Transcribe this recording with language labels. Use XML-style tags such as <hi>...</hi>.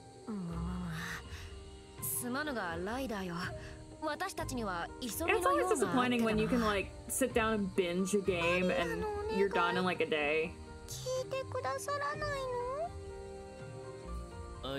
<ja>もうすまぬがライダーよ。私たちには急ぐのような。</ja> <en>It's always disappointing when you can like sit down and binge a game and you're done in like a day.</en> <ja>聞いてくださらないの？</ja>